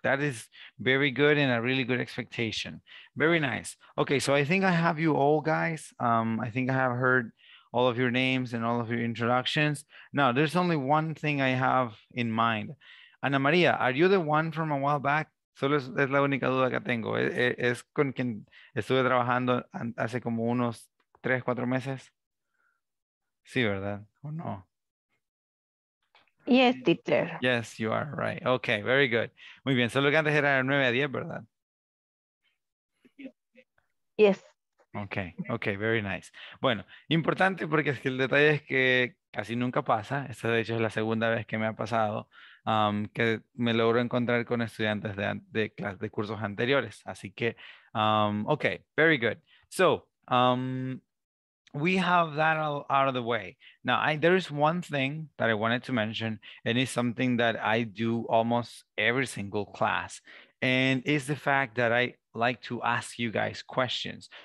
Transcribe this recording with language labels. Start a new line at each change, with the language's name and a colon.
English: That is very good and a really good expectation. Very nice. Okay, so I think I have you all, guys. I think I have heard all of your names and all of your introductions. Now, there's only one thing I have in mind. Ana Maria, are you the one from a while back?
Spanish: Solo es la única duda que tengo. Es con quien estuve trabajando hace como unos 3-4 meses. Sí, ¿verdad? ¿O no?
English: Yes, teacher. Yes, you are right. Okay, very good.
Spanish: Muy bien, solo que antes era 9 a 10, ¿verdad?
English: Yes. Okay, okay, very nice.
Spanish: Bueno, importante porque es que el detalle es que casi nunca pasa. Esta de hecho es la segunda vez que me ha pasado que me logro encontrar con estudiantes de cursos anteriores. Así que,
English: okay, very good. So, we have that all out of the way. Now, there is one thing that I wanted to mention, and it's something that I do almost every single class, and it's the fact that I like to ask you guys questions.